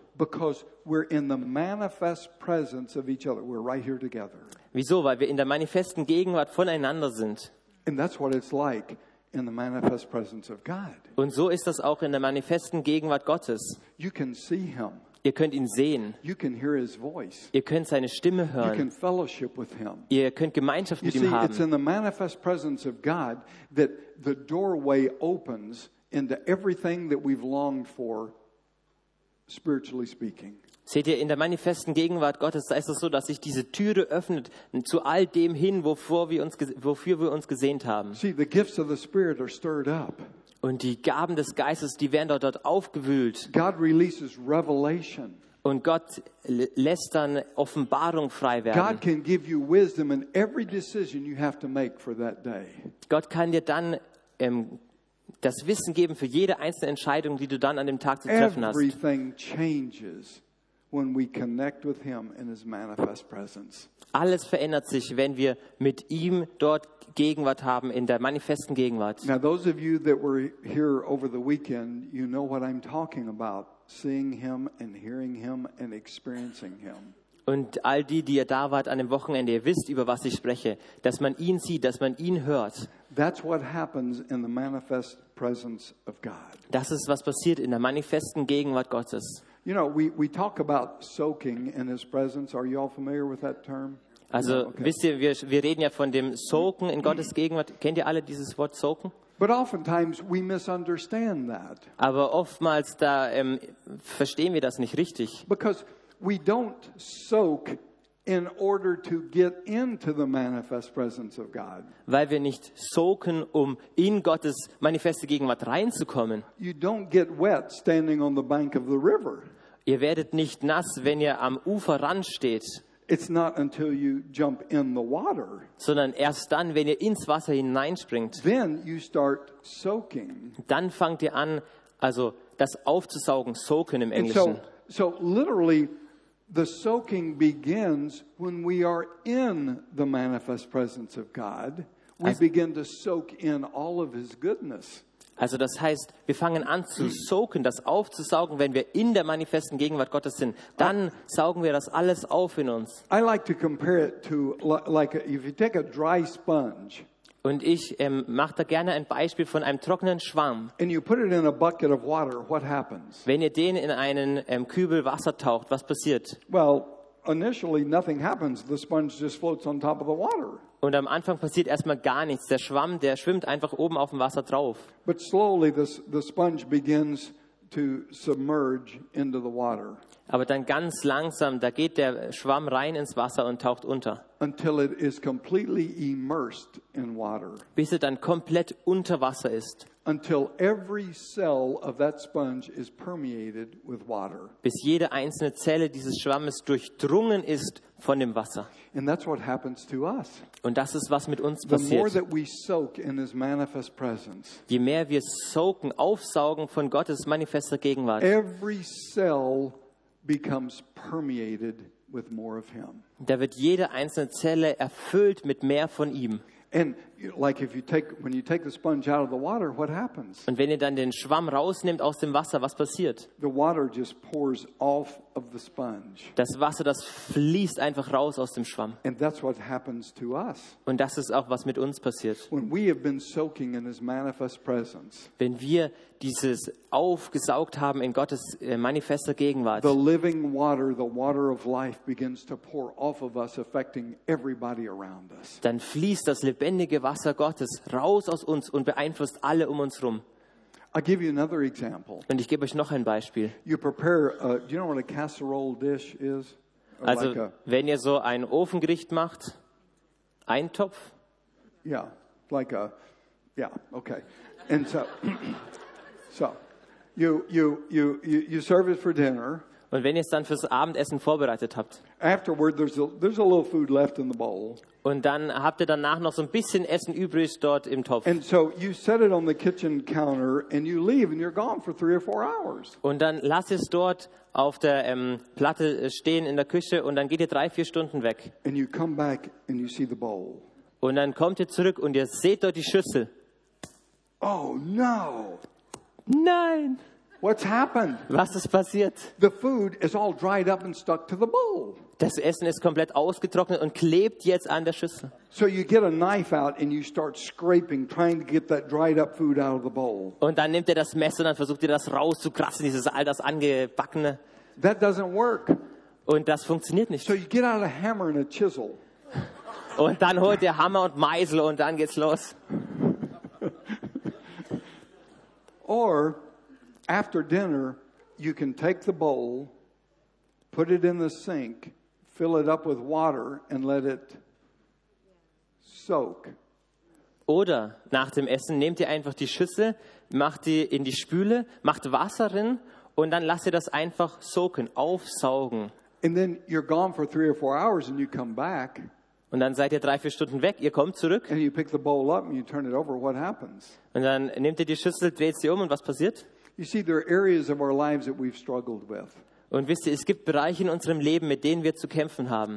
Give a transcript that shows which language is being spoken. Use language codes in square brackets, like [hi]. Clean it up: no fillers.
[en] Because we're in the manifest presence of each other. We're right here together. [de] Wieso? Weil wir in der manifesten Gegenwart voneinander sind. [en] And that's what it's like in the manifest presence of God. [de] Und so ist das auch in der manifesten Gegenwart Gottes. [en] You can see him. [de] Ihr könnt ihn sehen. [en] You can hear his voice. [de] Ihr könnt seine Stimme hören. [en] You can fellowship with him. [de] Ihr könnt Gemeinschaft [en] you [de] mit [en] see, [de] ihm haben. [en] It's in the manifest presence of God that the doorway opens into everything that we've longed for. Spiritually speaking. [de] Seht ihr, in der manifesten Gegenwart Gottes, da ist es so, dass sich diese Türe öffnet zu all dem hin, wofür wir uns gesehnt haben. [en] See, the gifts of the Spirit are stirred up. [de] Und die Gaben des Geistes, die werden dort aufgewühlt. [en] God releases revelation. [de] Und Gott lässt dann Offenbarung frei werden. [en] God can give you wisdom in every decision you have to make for that day. [de] Gott kann dir dann das Wissen geben für jede einzelne Entscheidung, die du dann an dem Tag zu treffen hast. [en] Everything changes when we connect with him in his manifest presence. [de] Alles verändert sich, wenn wir mit ihm dort Gegenwart haben, in der manifesten Gegenwart. [en] Now those of you that were here over the weekend, you know what I'm talking about, seeing him and hearing him and experiencing him. [de] Und all die, die ihr da wart an dem Wochenende, ihr wisst, über was ich spreche, dass man ihn sieht, dass man ihn hört. [en] That's what happens in the manifest presence of God. [de] Das ist, was passiert in der manifesten Gegenwart Gottes. [en] You know, we talk about soaking in his presence. Are you all familiar with that term? Also, okay. [de] Wisst ihr, wir reden ja von dem Soaken in Gottes Gegenwart. Kennt ihr alle dieses Wort Soaken? [en] But oftentimes we misunderstand that. [de] Aber oftmals da verstehen wir das nicht richtig. [en] Because we don't soak in order to get into the manifest presence of God. [de] Weil wir nicht soaken, um in Gottes manifeste Gegenwart reinzukommen. [en] You don't get wet standing on the bank of the river. [de] Ihr werdet nicht nass, wenn ihr am Uferrand steht. [en] It's not until you jump in the water. [de] Sondern erst dann, wenn ihr ins Wasser hineinspringt. [en] Then you start soaking. [de] Dann fangt ihr an, also das aufzusaugen, soaken im Englischen. [en] So literally the soaking begins when we are in the manifest presence of God. We begin to soak in all of his goodness. [de] Also das heißt, wir fangen an zu soaken, das aufzusaugen, wenn wir in der manifesten Gegenwart Gottes sind. Dann saugen wir das alles auf in uns. [en] I like to compare it to like if you take a dry sponge. [de] Und ich mache da gerne ein Beispiel von einem trockenen Schwamm. [en] And you put it in a bucket of water, what happens? [de] Wenn ihr den in einen Kübel Wasser taucht, was passiert? [en] Well, initially nothing happens. The sponge just floats on top of the water. [de] Und am Anfang passiert erstmal gar nichts. Der Schwamm, der schwimmt einfach oben auf dem Wasser drauf. [en] But slowly the sponge begins to submerge into the water. [de] Aber dann ganz langsam, da geht der Schwamm rein ins Wasser und taucht unter. [en] Until it is completely immersed in water. [de] Bis er dann komplett unter Wasser ist. [en] Until every cell of that sponge is permeated with water. [de] Bis jede einzelne Zelle dieses Schwammes durchdrungen ist von dem Wasser. [en] And that's what happens to us. [de] Und das ist, was mit uns passiert. [en] The more that we soak in his manifest presence. [de] Je mehr wir soaken, aufsaugen von Gottes manifester Gegenwart. [en] Every cell becomes permeated with more of him. [de] Da wird jede einzelne Zelle erfüllt mit mehr von ihm. [en] And like if you take when you take the sponge out of the water, what happens? [de] Und wenn ihr dann den Schwamm rausnimmt aus dem Wasser, was passiert? [en] The water just pours off of the sponge. [de] Das Wasser, das fließt einfach raus aus dem Schwamm. [en] And that's what happens to us. [de] Und das ist auch, was mit uns passiert. [en] When we have been soaking in his manifest presence. [de] Wenn wir dieses aufgesaugt haben in Gottes manifester Gegenwart. [en] The living water, the water of life begins to pour off of us, affecting everybody around us. [de] Dann fließt das lebendige Wasser Gottes raus aus uns und beeinflusst alle um uns rum. [en] I'll give you another example. [de] Und ich gebe euch noch ein Beispiel. [en] You prepare a, do you know what a casserole dish is? [de] Also, [en] like a, [de] wenn ihr so ein Ofengericht macht, Eintopf? [en] Yeah, like a, yeah, okay. And so, you serve it for dinner. [de] Und wenn ihr es dann fürs Abendessen vorbereitet habt. [en] Afterward, there's a little food left in the bowl. [de] Und dann habt ihr danach noch so ein bisschen Essen übrig dort im Topf. [en] And so you set it on the kitchen counter and you leave and you're gone for 3 or 4 hours. [de] Und dann lasst es dort auf der Platte stehen in der Küche und dann geht ihr 3-4 Stunden weg. [en] And you come back and you see the bowl. [de] Und dann kommt ihr zurück und ihr seht dort die Schüssel. [en] Oh no! [de] Nein! [en] What's happened? [de] Was ist passiert? [en] The food is all dried up and stuck to the bowl. [de] Das Essen ist komplett ausgetrocknet und klebt jetzt an der Schüssel. [en] So you get a knife out and you start scraping, trying to get that dried up food out of the bowl. [de] Und dann nimmt ihr das Messer und dann versucht ihr das rauszukratzen, dieses all das angebackene. [en] That doesn't work. [de] Und das funktioniert nicht. [en] So you get out a hammer and a chisel. [de] Und dann holt ihr Hammer und Meißel und dann geht's los. [en] Or after dinner, you can take the bowl, put it in the sink, fill it up with water and let it soak. [de] Oder nach dem Essen nehmt ihr einfach die Schüssel, macht die in die Spüle, macht Wasser drin und dann lasst ihr das einfach soaken, aufsaugen. [en] And then you're gone for 3 or 4 hours and you come back. [de] Und dann seid ihr 3-4 Stunden weg, ihr kommt zurück. [en] And you pick the bowl up and you turn it over, what happens? [de] Und dann nehmt ihr die Schüssel, dreht sie um und was passiert? [en] You see, there are areas of our lives that we've struggled with. [de] Und wisst ihr, es gibt Bereiche in unserem Leben, mit denen wir zu kämpfen haben.